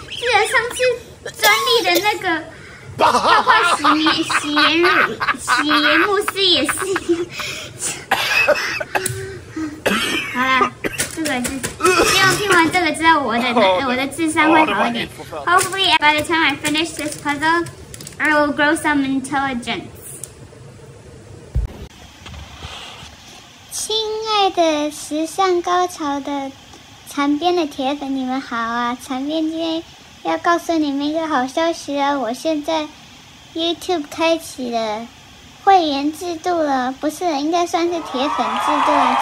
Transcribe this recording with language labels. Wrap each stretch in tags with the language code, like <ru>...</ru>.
<zh>记得上次专利的那个泡泡洗颜慕斯也是。好啦，这个是。希望听完这个之后，我的智商会好一点。</zh> <en>Hopefully, by the time I finish this puzzle, I will grow some intelligence.</en> <zh>亲爱的时尚高潮的长边的铁粉，你们好啊！长边今天要告诉你们一个好消息啊！我现在 YouTube 开启了会员制度了，不是，应该算是铁粉制度了。</zh>